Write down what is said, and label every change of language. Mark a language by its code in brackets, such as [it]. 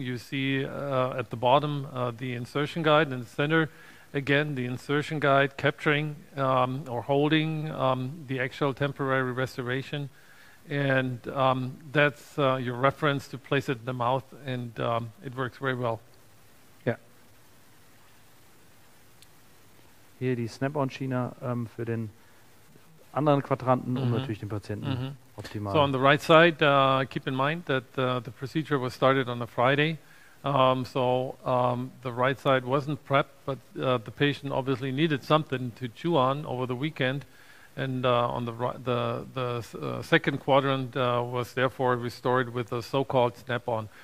[en] You see at the bottom the insertion guide. In the center, again, the insertion guide capturing or holding the actual temporary restoration. And that's your reference to place it in the mouth, and it works very well. Yeah. [de] Hier die Snap-on-Schiene für den anderen Quadranten und natürlich den Patienten optimal. [en] So on the right side, keep in mind that the procedure was started on a Friday. The right side wasn't prepped, but the patient obviously needed something to chew on over the weekend. And on the right, the second quadrant was therefore restored with a so-called snap-on.